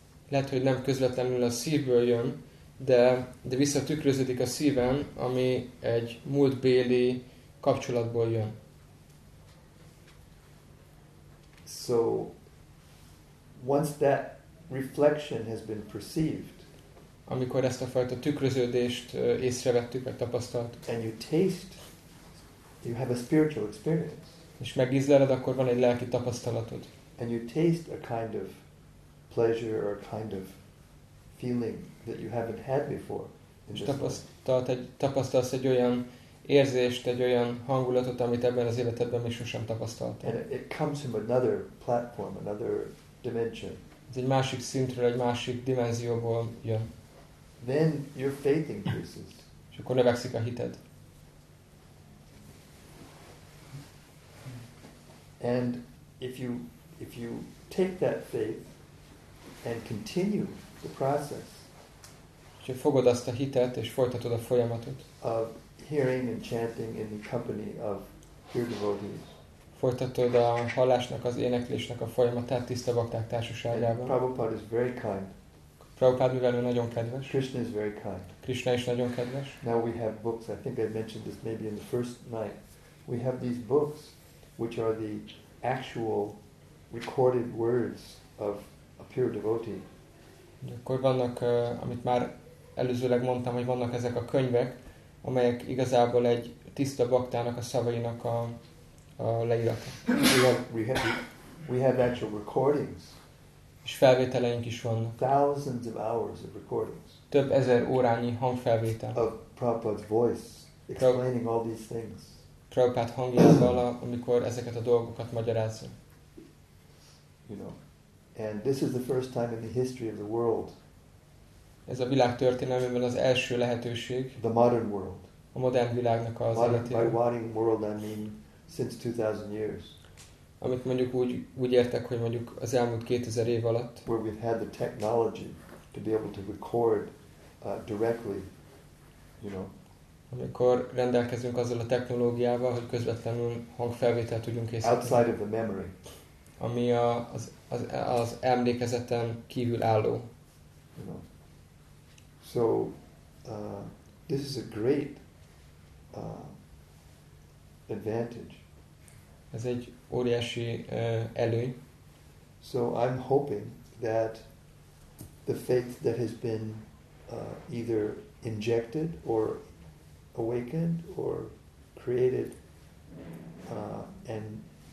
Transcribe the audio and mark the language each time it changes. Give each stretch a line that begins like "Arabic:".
Hungarian: Lehet, hogy nem közvetlenül a szívből jön, de visszatükröződik a szívem, ami egy múltbéli kapcsolatból jön.
English: So, once that reflection has been perceived,
Hungarian: amikor ezt a fajta tükröződést észrevettük, vagy tapasztaltuk.
English: And you taste, you have a spiritual experience.
Hungarian: És megízleled, akkor van egy lelki tapasztalatod.
English: And you taste a kind of pleasure or a kind of feeling that you haven't had before.
Hungarian: És tapasztalsz egy olyan érzést, egy olyan hangulatot, amit ebben az életedben még sosem tapasztaltál.
English: And it comes from another platform, another dimension.
Hungarian: Ez egy másik szintről, egy másik dimenzióból jön.
English: Then your faith increases.
Hungarian: És akkor növekszik a hited.
English: And if you take that faith and continue the process.
Hungarian: És fogod azt a hitet és folytatod a folyamatot.
English: Of hearing and chanting in the company of pure devotees.
Hungarian: Folytatod a hallásnak, az éneklésnek a folyamatát tiszta bakták társaságában.
English: Prabhupada is very kind.
Hungarian: Prabhupád, mivel ő nagyon kedves.
English: Krishna is very kind.
Hungarian: Krishna is nagyon kedves.
English: Now we have books. I think I mentioned this maybe in the first night. We have these books, which are the actual recorded words of a pure devotee.
Hungarian: De akkor vannak, amit már előzőleg mondtam, hogy vannak ezek a könyvek, amelyek igazából egy tiszta baktának a szavainak a leírata.
English: We have actual recordings.
Hungarian: És felvételeink is vannak.
English: Thousands of hours of recordings.
Hungarian: Több ezer órányi hangfelvétel.
English: Of Prabhupada's voice explaining all these things.
Hungarian: Prabhupád hangjával, amikor ezeket a dolgokat magyarázza.
English: You know, and this is the first time in the history of the world.
Hungarian: Ez a világ történelmében az első lehetőség.
English: The modern world.
Hungarian: A modern világnak az életében.
English: By modern world, I mean since 2000 years.
Hungarian: Amit mondjuk úgy értek, hogy mondjuk az elmúlt 2000 év alatt,
English: where we've had the technology to be able to record directly, you know,
Hungarian: amikor rendelkezünk azzal a technológiával, hogy közvetlenül hangfelvételt tudjunk készíteni,
English: outside of the memory,
Hungarian: ami az emlékezeten kívül álló,
English: you know. So this is a great advantage.
Hungarian: Ez egy óriási előny.
English: So I'm hoping that the faith that has been either injected or awakened or created and